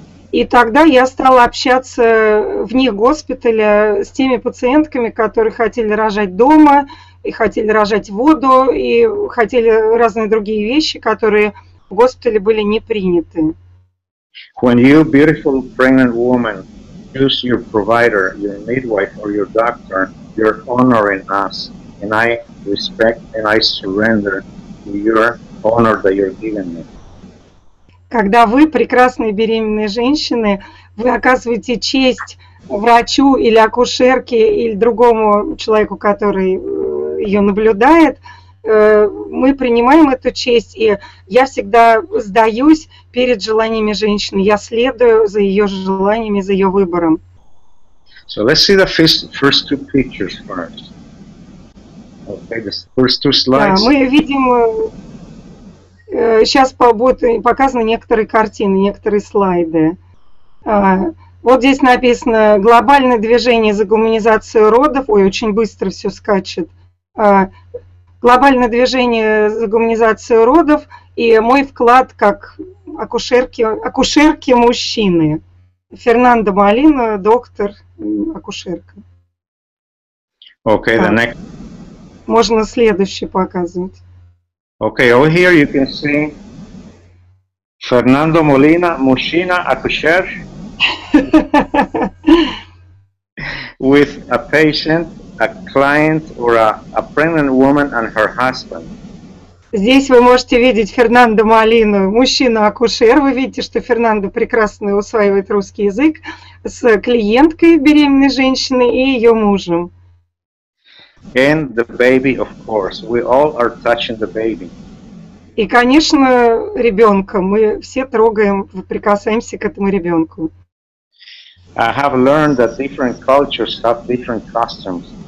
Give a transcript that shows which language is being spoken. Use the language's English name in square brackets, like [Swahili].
[Russian] И тогда я стала общаться вне госпиталя с теми пациентками, которые хотели рожать дома, и хотели рожать воду, и хотели разные другие вещи, которые в госпитале были не приняты. [English] When you beautiful pregnant woman choose your provider, your midwife or your doctor, you're honoring us, and I respect and I surrender to your honor that you're giving me. [Russian] Когда вы, прекрасные беременные женщины, вы оказываете честь врачу или акушерке или другому человеку, который ее наблюдает, мы принимаем эту честь, и я всегда сдаюсь перед желаниями женщины. Я следую за ее желаниями, за ее выбором. [English] So let's see the first two pictures first. Okay, the first two slides. [Russian] Да, мы видим, сейчас будут показаны некоторые картины, некоторые слайды. Вот здесь написано «Глобальное движение за гуманизацию родов». Ой, очень быстро все скачет. Глобальное движение за гуманизацию родов и мой вклад как акушерки мужчины. Фернандо Малина, доктор, акушерка. [English] Okay, the next. [Russian] Можно следующий показывать. [English] Okay, over here you can see Фернандо Малина, [Russian] мужчина, акушер. [English] With a patient. A client or a pregnant woman and her husband. [Russian] Здесь вы можете видеть Фернандо Малину, мужчину-акушер. Вы видите, что Фернандо прекрасно усваивает русский язык с клиенткой беременной женщины и ее мужем. [English] And the baby, of course. We all are touching the baby. [Russian] И, конечно, ребенка. Мы все трогаем, прикасаемся к этому ребенку. [English] I have learned that different cultures have different customs.